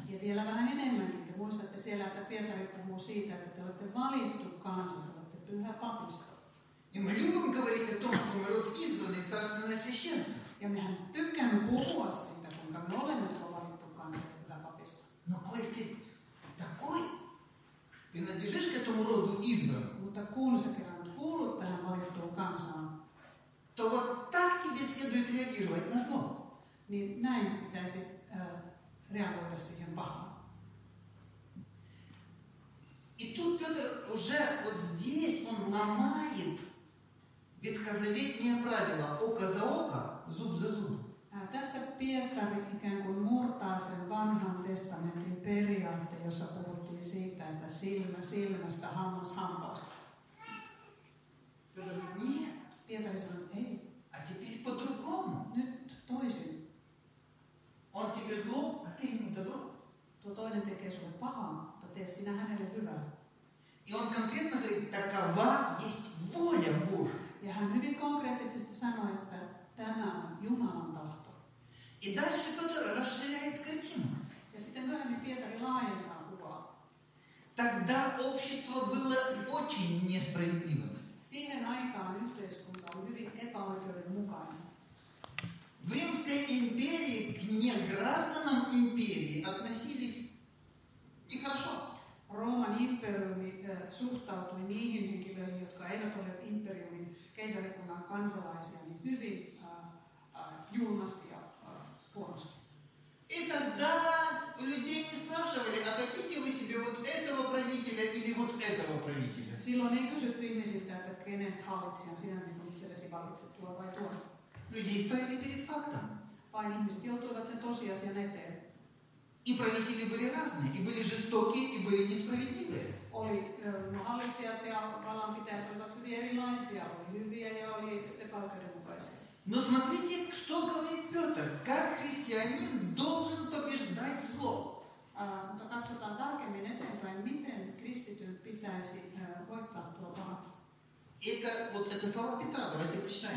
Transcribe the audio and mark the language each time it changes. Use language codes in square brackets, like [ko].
[fi] Ja vielä vähän enemmänkin. Te muistatte siellä, että Pietari puhuu siitä, että te olette valittu kansa, te olette pyhä papisto. [ru] И мы любим говорить о том, что мы род избранный, царственное священство. [fi] Ja mehän tykkäämme puhua siitä, kuinka me olemme tuo valittu kansa, pyhä papisto. [ru] Но коль ты такой, ты надлежишь к этому роду избранному. [fi] Mutta kun sä kerran kuulut tähän valittuun kansaan, [ru] то вот так тебе следует реагировать на зло. [fi] Niin näin pitäisi реагоида siihen пахло. [ru] И тут Петр уже вот здесь он ломает ветхозаветнее правило око за око, зуб за зуб. [fi] Tässä Pietari ikään kuin murtaa sen vanhan testamentin periaatteen, jossa puhuttiin siitä, että silmä silmästä, hammas hampaasta. [ru] Петр говорит, нет. [fi] Pietari sanoi, että ei. [ru] А теперь по-другому. [fi] Nyt toisin. [ru] Он тебе зло, а ты ему добро. [fi] То toinen tekee sulle pahaa, mutta tee sinä hänelle hyvää. [ru] И он конкретно говорит, такова есть воля Божия. [fi] Ja hän hyvin konkreettisesti sanoi, että tämä on Jumalan tahto. [ru] И дальше Петр расширяет картину. [fi] Ja sitten myöhemmin Pietari laajentaa kuvaa. [ru] Тогда общество было очень несправедливым. [fi] Siihen aikaan yhteiskunta oli hyvin epäoikeudenmukainen. [ru] В Римской империи к негражданам империи относились и хорошо. [fi] Rooman imperiumi suhtautui niihin henkilöihin, jotka eivät ole imperiumin keisarikunnan kansalaisia, niin hyvin julmasti ja huonosti. [ru] И тогда людей не спрашивали, а хотите вы себе вот этого правителя или вот этого правителя? [fi] Silloin ei kysytty ihmisiltä, että kenen hallitsijan sinä minun itsellesi valitset tuo vai tuo. [ru] Люди стояли перед фактом. [fi] Vain ihmiset joutuivat sen tosiasian eteen. [ru] И правители были разные, и были жестокие, и были несправедливые. [fi] Oli hallitsijat ja vallanpitäjät olivat hyvin erilaisia, oli hyviä ja oli epäoikeudenmukaisia. [ru] Но смотрите, что говорит Петр, как христианин должен побеждать зло. [fi] Mutta katsotaan tarkemmin eteenpäin, miten kristityn pitäisi voittaa tuo paha. [ru] Это слова Петра, давайте прочитаем.